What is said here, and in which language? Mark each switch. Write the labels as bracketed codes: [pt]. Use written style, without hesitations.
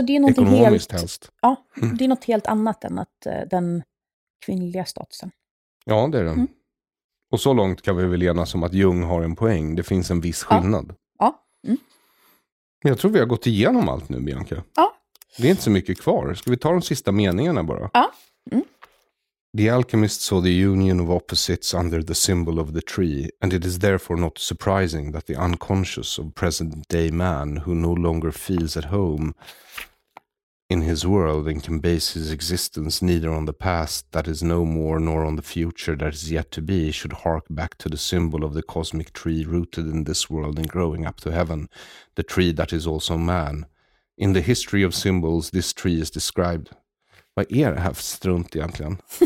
[sv] Alltså det är någonting ekonomiskt helst. Ja, det är något helt annat än att den kvinnliga statusen. Ja, det är den. Och så långt kan vi väl enas om att Jung har en poäng. Det finns en viss skillnad. Ja. Jag tror vi har gått igenom allt nu, Bianca. Ja. Det är inte så mycket kvar. Ska vi ta de sista meningarna bara? Ja. [en] The alchemist saw the union of opposites under the symbol of the tree, and it is therefore not surprising that the unconscious of present-day man, who no longer feels at home in his world and can base his existence neither on the past that is no more nor on the future that is yet to be, should hark back to the symbol of the cosmic tree rooted in this world and growing up to heaven, the tree that is also man. In the history of symbols, this tree is described... [sv] Vad är det här för strunt egentligen?